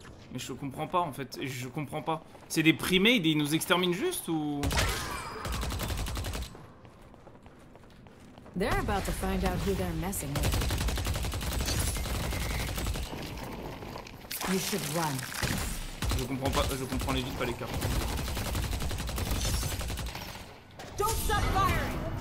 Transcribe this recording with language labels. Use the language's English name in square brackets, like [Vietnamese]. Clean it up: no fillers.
[French] Mais je comprends pas en fait, je comprends pas. C'est des primés, ils nous exterminent juste ou... [English] They're about to find out who they're messing with. You should run. [French] Je comprends pas, je comprends les vides, pas les cartes. [English] Don't stop firing.